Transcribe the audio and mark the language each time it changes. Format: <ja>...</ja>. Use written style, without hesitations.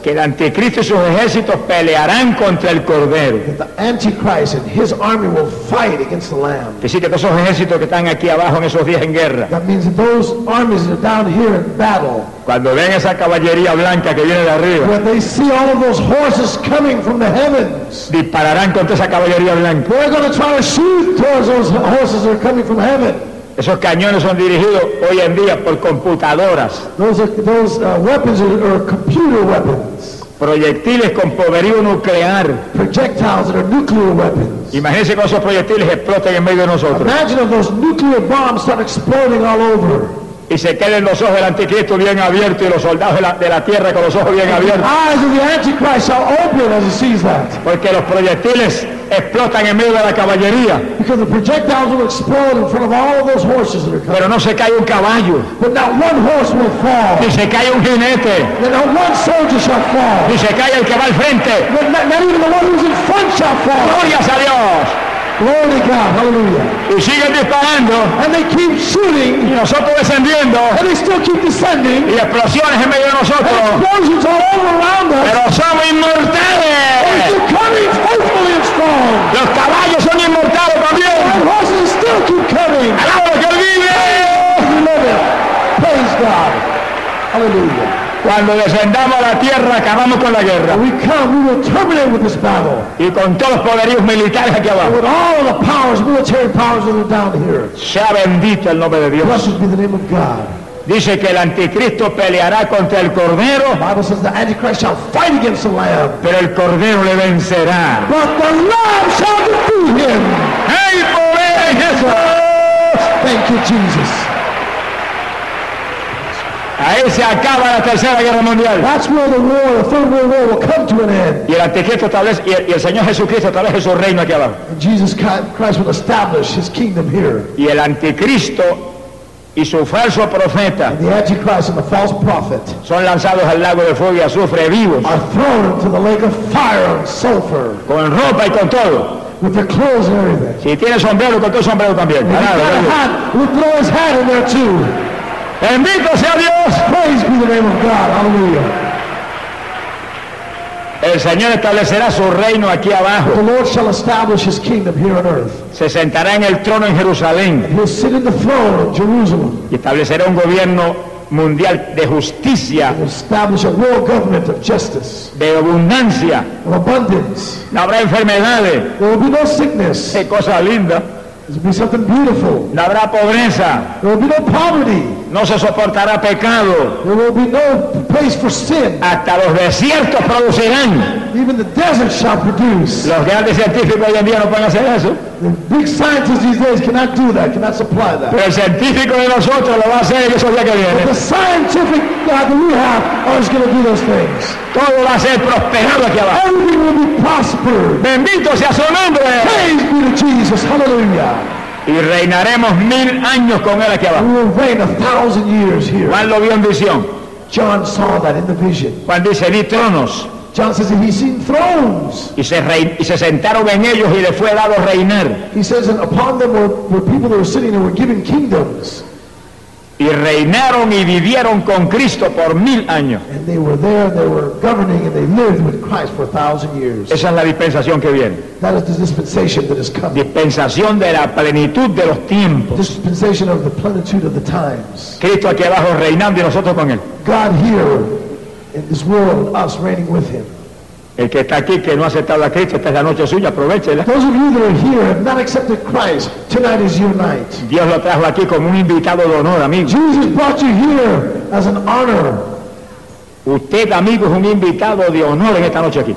<es>que el anticristo y sus ejércitos pelearán contra el cordero.</es> <en>That the antichrist and his army will fight against the lamb.</en> <es>Dice que todos esos ejércitos que están aquí abajo en esos días en guerra.</es> <en>That means that those armies are down here in battle.</en> <es>Cuando ven esa caballería blanca que viene de arriba.</es> <en>When they see all of those horses coming from the heavens.</en> <es>Dispararán contra esa caballería blanca.</es> <en>They're going to try to shoot towards those horses that are coming from heaven.</en> <es>Esos cañones son dirigidos hoy en día por computadoras.</es> <en>Those weapons are computer weapons.</en> <es>Proyectiles con poderío nuclear.</es> <en>Projectiles that are nuclear weapons.</en> <es>Imagínense que esos proyectiles exploten en medio de nosotros.</es> <en>Imagine if those nuclear bombs start exploding all over.</en> <es>Y se queden los ojos del anticristo bien abiertos y los soldados de la tierra con los ojos bien abiertos.</es> <en>The eyes of the antichrist shall open as he sees that.</en> <es>Porque los proyectiles explotan en medio de la caballería.</es> <en>Because the projectiles will explode in front of all those horses that are coming.</en> <es>Pero no se cae un caballo.</es> <en>But not one horse will fall.</en> <es>Ni se cae un jinete.</es> <en>Then not one soldier shall fall.</en> <es>Ni se cae el que va al frente.</es> <en>But not even the one who's in front shall fall.</en> <es>Gloria a Dios.</es> <en>Glory to God, hallelujah.</en> <es>Y siguen disparando.</es> <en>And they keep shooting.</en> <es>Y nosotros descendiendo.</es> <en>And they still keep descending.</en> <es>Y explosiones en medio de nosotros.</es> <en>And explosions all over around us.</en> <es>Pero somos inmortales.</es> <en>They're coming faithfully and strong.</en> <es>Los caballos son inmortales también.</es> <en>And horses still keep coming.</en> <es>Alaba que vive.</es> <en>We love it. Praise God. Hallelujah.</en> <es>Cuando descendamos a la tierra, acabamos con la guerra.</es> <en>We come, we will terminate with this battle.</en> <es>Y con todos los poderíos militares aquí abajo.</es> <en>And with all the powers, military powers that are down here.</en> <es>Sea bendito el nombre de Dios.</es> <en>Blessed be the name of God.</en> <es>Dice que el anticristo peleará contra el cordero.</es> <en>The Bible says the antichrist shall fight against the lamb.</en> <es>Pero el cordero le vencerá.</es> <en>But the lamb shall defeat him.</en> <es>Hey, poder en Jesús.</es> <en>Thank you, Jesus.</en> <es>Ahí se acaba la tercera guerra mundial.</es> <en>That's where the war, the third world war, will come to an end.</en> <es>Y el anticristo y el Señor Jesucristo establece su reino aquí abajo.</es> <en>And Jesus Christ will establish his kingdom here.</en> <es>Y el anticristo y su falso profeta.</es> <en>And the antichrist and the false prophet.</en> <es>Son lanzados al lago de fuego y azufre vivos.</es> <en>Are thrown into the lake of fire and sulfur.</en> <es>Con ropa y con todo.</es> <en>With their clothes and everything.</en> <es>Si tiene sombrero, con todo sombrero también.</es> <en>If he's got a hat, we'll throw his hat in there too.</en> <es>Bendito sea Dios.</es> <en>Praise be the name of God. Hallelujah.</en> <es>El Señor establecerá su reino aquí abajo.</es> <en>The Lord shall establish his kingdom here on earth.</en> <es>Se sentará en el trono en Jerusalén.</es> <en>And he'll sit in the throne in Jerusalem.</en> <es>Y establecerá un gobierno mundial de justicia.</es> <en>And he'll establish a world government of justice.</en> <es>De abundancia.</es> <en>Of abundance.</en> <es>No habrá enfermedades.</es> <en>There will be no sickness.</en> <es>Qué cosa linda.</es> <en>be something beautiful.</en> <es>No habrá pobreza.</es> <en>There will be no poverty.</en> <es>No se soportará pecado.</es> <en>There will be no place for sin.</en> <es>Hasta los desiertos producirán.</es> <en>Even the desert shall produce.</en> <es>Los grandes científicos hoy en día no pueden hacer eso.</es> <en>The big scientists these days cannot do that, cannot supply that.</en> <es>Pero el científico de nosotros lo va a hacer y eso ya que viene.</es> <en>But the scientific God that we have is going to do those things.</en> <es>Todo va a ser prosperado aquí abajo.</es> <en>Everything will be prospered.</en> <es>Bendito sea su nombre.</es> <en>Praise be to Jesus. Hallelujah.</en> <es>Y reinaremos 1,000 años con él aquí abajo.</es> <en>We will reign 1,000 years here.</en> <es>Juan lo vio en visión.</es> <en>John saw that in the vision.</en> <es>Juan dice, vi tronos.</es> <en>John says he's seen thrones.</en> <es>Y se sentaron en ellos y le fue dado reinar.</es> <en>He says, and upon them were people that were sitting and were given kingdoms.</en> <es>Y reinaron y vivieron con Cristo por 1,000 años.</es> <en>And they were there, they were governing, and they lived with Christ for 1,000 years.</en> <es>Esa es la dispensación que viene.</es> <en>That is the dispensation that is coming.</en> <es>Dispensación de la plenitud de los tiempos.</es> <en>Dispensation of the plenitude of the times.</en> <es>Cristo aquí abajo reinando y nosotros con él.</es> <en>God here. In this world, us reigning with him.</en> <es>El que está aquí que no ha aceptado a Cristo, esta es la noche suya, aprovechela.</es> <en>Those of you that are here have not accepted Christ, tonight is your night.</en> <es>Dios lo trajo aquí como un invitado de honor, amigo.</es> <en>Jesus brought you here as an honor.</en> <es>Usted, amigo, es un invitado de honor en esta noche aquí.</es>